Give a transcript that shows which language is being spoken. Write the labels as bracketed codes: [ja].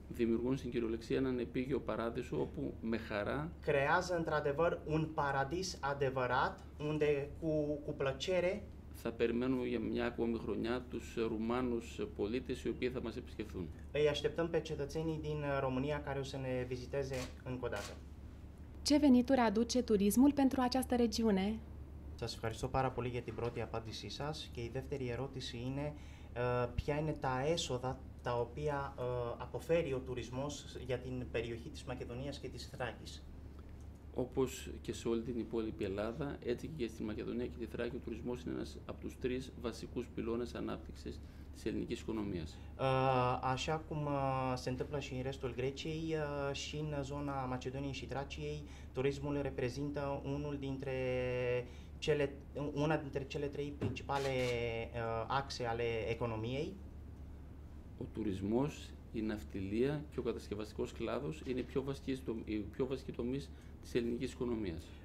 [el] Δημιουργούν στην κυριολεξία έναν επίγειο παράδεισο όπου με χαρά. [ro] Creează într-adevăr un paradis adevărat unde cu plăcere. [el] Θα περιμένουμε για μια ακόμη χρονιά τους Ρουμάνους πολίτες οι οποίοι θα μας επισκεφθούν. [ro] Îi așteptăm pe cetățenii din România care o să ne viziteze încă o dată. Ce venituri aduce turismul pentru această regiune? [el] Σας ευχαριστώ πάρα πολύ για την πρώτη απάντησή σας και η δεύτερη ερώτηση είναι ποια είναι τα έσοδα τα οποία αποφέρει ο τουρισμός για την περιοχή της Μακεδονίας και της Θράκης. Όπως και σε όλη την υπόλοιπη Ελλάδα, έτσι και στη Μακεδονία και τη Θράκη, ο τουρισμός είναι ένας από τους τρεις βασικούς πυλώνες ανάπτυξης της ελληνικής οικονομίας. [ro] Așa cum se întâmplă și în restul Greciei, și în zona Macedoniei și Traciei, turismul reprezintă una dintre cele trei principale axe ale economiei. [el] Ο τουρισμός, η ναυτιλία και ο κατασκευαστικός κλάδος είναι οι πιο βασικοί τομείς της ελληνικής οικονομίας.